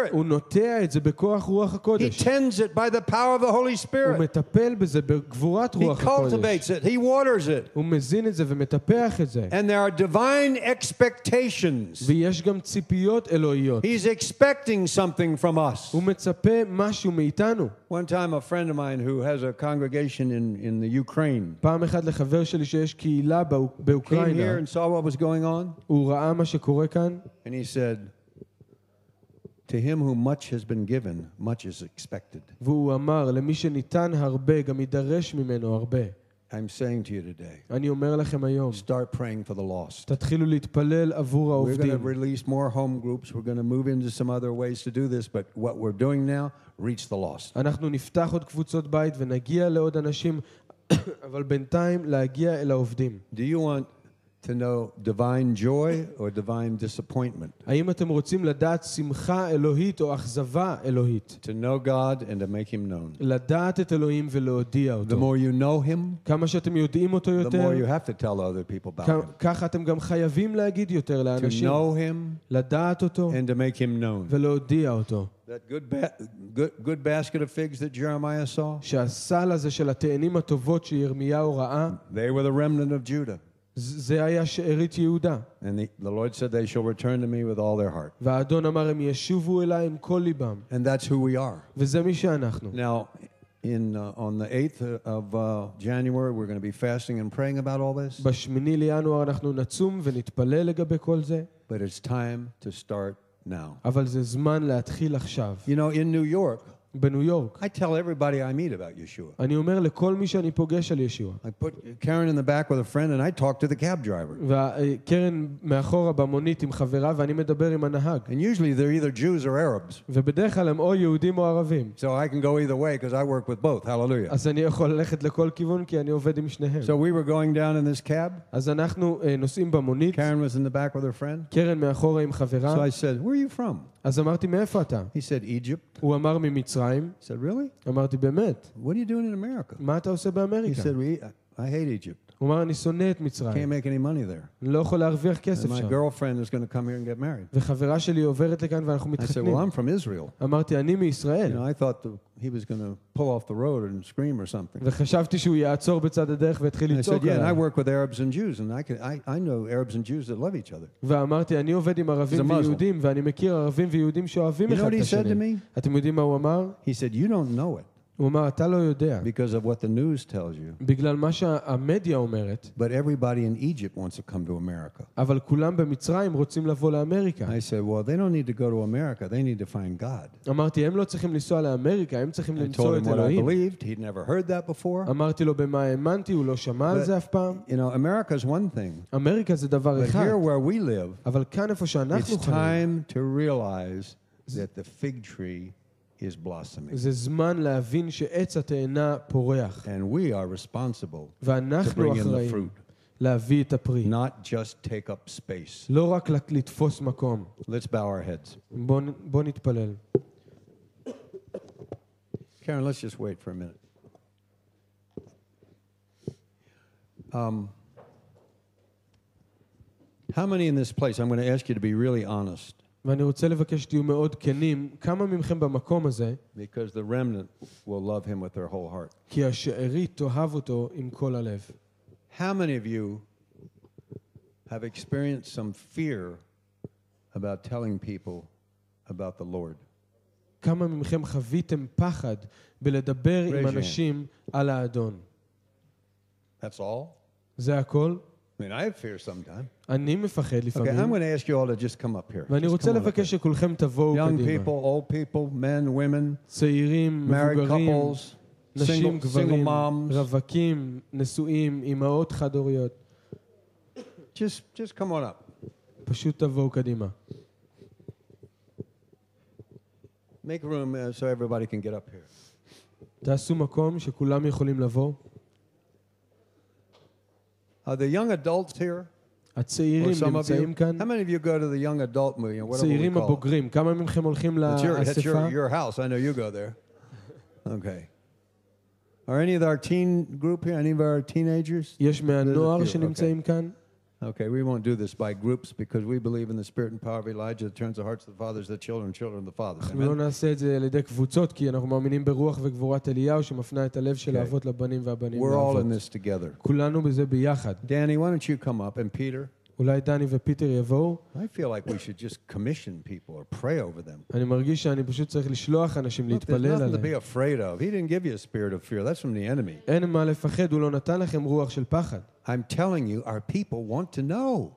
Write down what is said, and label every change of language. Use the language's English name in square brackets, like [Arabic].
[Hebrew] הוא נוטע את זה בכוח רוח הקודש. [English] He tends it by the power of the Holy Spirit. [Hebrew] הוא מטפל בזה בגבורת רוח הקודש. [English] He cultivates it. He waters it. [Hebrew] הוא מזין את זה ומטפח את זה. [English] And there are divine expectations. [Hebrew] ויש גם ציפיות אלוהיות. [English] He's expecting something from us. [Hebrew] הוא מצפה משהו מאיתנו. [English] One time a friend of mine who has a congregation in the Ukraine. [Hebrew] פעם אחד לחבר שלי שיש קהילה באוקראינה. [English] Came here and saw what was going on. [Hebrew] הוא ראה מה שקורה כאן. [English] And he said, "To him who much has been given, much is expected." [Hebrew] והוא אמר, למי שניתן הרבה, גם יידרש ממנו הרבה. [English] I'm saying to you today. [Hebrew] אני אומר לכם היום. [English] Start praying for the lost. [Hebrew] תתחילו להתפלל עבור העובדים. [English] We're going to release more home groups. We're going to move into some other ways to do this, but what we're doing now, reach the lost. [Hebrew] אנחנו נפתח עוד קבוצות בית ונגיע לעוד אנשים, אבל בינתיים להגיע אל העובדים. [English] Do you want to know divine joy or divine disappointment? [Hebrew] האם אתם רוצים לדעת שמחה אלוהית או אכזבה אלוהית? [English] To know God and to make him known. [Hebrew] לדעת את אלוהים ולהודיע אותו. [English] The more you know him, [Hebrew] כמה שאתם יודעים אותו יותר, [English] the more you have to tell other people about him. [Hebrew] ככה אתם גם חייבים להגיד יותר לאנשים. [English] To know him, [Hebrew] לדעת אותו, [English] and to make him known. [Hebrew] ולהודיע אותו. [English] That good basket of figs that Jeremiah saw, [Hebrew] שהסל הזה של התאנים הטובות שירמיהו ראה, [English] they were the remnant of Judah. [Hebrew] זה היה שארית יהודה. [English] And the Lord said they shall return to me with all their heart. [Hebrew] והאדון אמר הם ישובו אליי עם כל ליבם. [English] And that's who we are. [Hebrew] וזה מי שאנחנו. [English] Now on the 8th of January we're going to be fasting and praying about all this. [Hebrew] בשמיני לינואר אנחנו נצום ונתפלל לגבי כל זה. [English] But it's time to start now. [Hebrew] אבל זה זמן להתחיל עכשיו. [English] You know, in New York, [Hebrew] בניו יורק, [English] I tell everybody I meet about Yeshua. [Hebrew] אני אומר לכל מי שאני פוגש על ישוע. [English] I put Karen in the back with a friend and I talk to the cab driver. [Hebrew] וקרן מאחורה במונית עם חברה ואני מדבר עם הנהג. [English] And usually they're either Jews or Arabs. [Hebrew] ובדרך כלל הם או יהודים או ערבים. [English] So I can go either way because I work with both. Hallelujah. [Hebrew] אז אני יכול ללכת לכל כיוון כי אני עובד עם שניהם. [English] So we were going down in this cab. [Hebrew] אז אנחנו נוסעים במונית. [English] Karen was in the back with her friend. [Hebrew] קרן מאחורה עם חברה. [English] So I said, "Where are you from?" [Hebrew] אז אמרתי, "מאיפה אתה?" [English] He said, "Egypt." [Hebrew] הוא אמר ממצרים. [English] He said, "Really?" [Hebrew] אמרתי, "באמת." [English] "What are you doing in America?" [Hebrew] מה אתה עושה באמריקה? [English] He said, I hate Egypt. [Hebrew] אומר אני שונא את מצרים. [English] Can't make any money there. [Hebrew] לא יכול להרוויח כסף שם. [English] My girlfriend is going to come here and get married. [Hebrew] וחברה שלי עוברת לכאן ואנחנו מתחתנים. [English] I said, well, I'm from Israel. [Hebrew] אמרתי אני מישראל. [English] You know, I thought he was going to pull off the road and scream or something. [Hebrew] וחשבתי שהוא יעצור בצד הדרך ויתחיל לצעוק. [English] I said, yeah, I work with Arabs and Jews, and I know Arabs and Jews that love each other. [Hebrew] ואמרתי אני עובד עם ערבים ויהודים ואני מכיר ערבים ויהודים שאוהבים אחד את השני. [English] You know what he said to me? [Hebrew] אתם יודעים מה הוא אמר? [English] He said, you don't know it. [Hebrew] הוא אומר, אתה לא יודע. [English] Because of what the news tells you. [Hebrew] בגלל מה שהמדיה אומרת. [English] But everybody in Egypt wants to come to America. [Hebrew] אבל כולם במצרים רוצים לבוא לאמריקה. [English] I said, well, they don't need to go to America. They need to find God. [Hebrew] אמרתי, הם לא צריכים לנסוע לאמריקה. הם צריכים למצוא את אלוהים. [English] I believed. He'd never heard that before. [Hebrew] אמרתי לו, במה האמנתי? הוא לא שמע על זה אף פעם. [English] You know, America is one thing. [Hebrew] אמריקה זה דבר אחד. [English] But here where we live, [Hebrew] אבל כאן איפה שאנחנו חיים, [English] it's time to realize that the fig tree is blossoming. [Hebrew] זה זמן להבין שעץ התאנה פורח. [English] And we are responsible. [Hebrew] ואנחנו אחראים להביא את הפרי. [English] Not just take up space. [Hebrew] לא רק לתפוס מקום. [English] Let's bow our heads. [Hebrew] בוא נתפלל. [English] Karen, let's just wait for a minute. How many in this place, I'm going to ask you to be really honest. [Hebrew] ואני רוצה לבקש תהיו מאוד כנים, כמה ממכם במקום הזה? [English] Because the remnant will love him with their whole heart. [Hebrew] כי השארית תאהב אותו עם כל הלב. [English] How many of you have experienced some fear about telling people about the Lord? [Hebrew] כמה ממכם חוויתם פחד בלדבר עם אנשים על האדון? [English] That's all? [Hebrew] זה הכל? [English] I mean, I have fear sometimes. [Hebrew] אני מפחד לפעמים. [English] Okay, I'm going to ask you all to just come up here. [Hebrew] ואני רוצה לבקש שכולכם תבואו קדימה. [English] Young people, old people, men, women, [Hebrew] צעירים, [English] married couples, [Hebrew] נשים, [English] single moms, [Hebrew] רווקים, נשואים, אמהות חד-הוריות. [English] Just come on up. [Hebrew] פשוט תבואו קדימה. [English] Make room so everybody can get up here. [Hebrew] תעשו מקום שכולם יכולים לבוא. [English] Are the young adults here? [Hebrew] הצעירים נמצאים כאן? [English] How many of you go to the young adult meeting? What about the [Hebrew] צעירים הבוגרים? כמה ממכם הולכים לאספה? [English] It's your house. I know you go there. Okay. Are any of our teen group here? Any of our teenagers? [Hebrew] יש מהנוער שנמצאים כאן? [English] Okay, we won't do this by groups because we believe in the spirit and power of Elijah that turns the hearts of the fathers to the children, children of the fathers. [Hebrew] אנחנו לא נעשה את זה לידי קבוצות כי אנחנו מאמינים ברוח וגבורת אליהו שמפנה את הלב של האבות לבנים והבנים לאבות. [English] We're all in this together. [Hebrew] כולנו בזה ביחד. [English] Danny, why don't you come up and Peter? [Hebrew] אולי דני ופיטר יבואו? [English] I feel like we should just commission people or pray over them. [Hebrew] אני מרגיש שאני פשוט צריך לשלוח אנשים להתפלל עליהם. [English] There's nothing to be afraid of. He didn't give you a spirit of fear. That's from the enemy. [Hebrew] אין מה לפחד, הוא לא נתן לכם רוח של פחד. [English] I'm telling you, our people want to know.